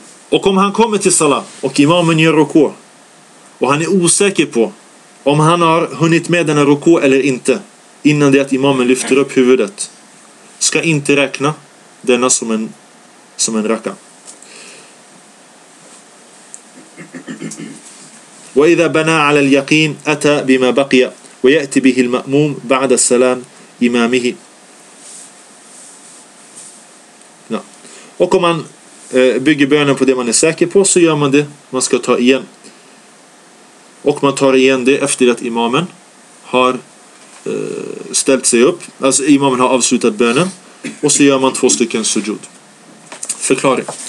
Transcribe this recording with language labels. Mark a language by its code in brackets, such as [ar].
[sv] Och om han kommer till salat och imamen gör rukå, och han är osäker på om han har hunnit med den här rukå eller inte innan det att imamen lyfter upp huvudet, ska inte räkna denna som en raka. [ar] وإذا بنى على اليقين أتى بما بقي ويأتي به المأموم بعد السلام إمامه. [sv] Och om man bygger bönen på det man är säker på, så gör man det man ska ta igen. Och man tar igen det efter att imamen har ställt sig upp. Alltså imamen har avslutat bönen. Och så gör man två stycken sujud. Förklaring.